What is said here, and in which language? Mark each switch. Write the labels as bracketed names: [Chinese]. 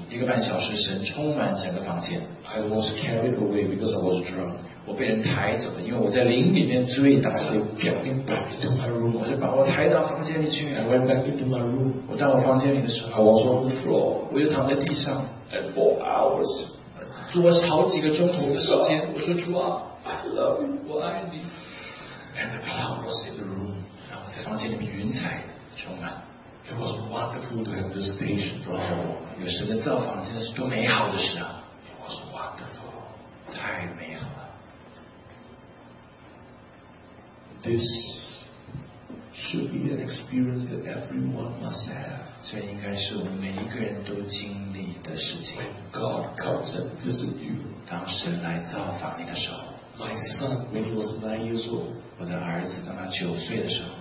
[Chinese] 一个半小时, 神充满整个房间, [English] I was carried away because I was drunk. [Chinese] 我被人抬走了, 因为我在灵里面醉倒, [English] I said, get me back into my room. [Chinese] 我就把我抬到房间里去, [English] I went back into my room. [Chinese] 我到我房间里的时候, [English] I was on the floor. [Chinese] 我又躺在地上, [English] and 4 hours. [Chinese] 做了好几个钟头的时间, 我说主啊, [English] I love you. [Chinese] 我爱你。 [English] And the cloud was in the room. [Chinese] 然后在房间里面云彩充满。 [English] It was wonderful to have visitation from heaven. [Chinese] 有神的造访, 真的是多美好的事啊。 [English] It was wonderful. [Chinese] 太美好了。 [English] This should be an experience that everyone must have. [Chinese] 这应该是我们每一个人都经历的事情。 [English] When God comes and visits you, [Chinese] 当神来造访你的时候, [English] My son, when he was 9 years old, [Chinese] 我的儿子当他9岁的时候,